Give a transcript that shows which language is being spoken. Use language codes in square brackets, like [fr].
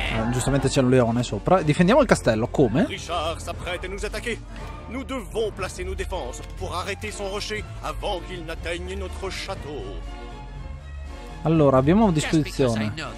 [it] Giustamente c'è un leone sopra. Difendiamo il castello. Come? [fr] Richard s'apprête à nous attaquer. Nous devons placer nos défenses pour arrêter son rocher avant qu'il n'atteigne notre château. [it] Allora, abbiamo a disposizione.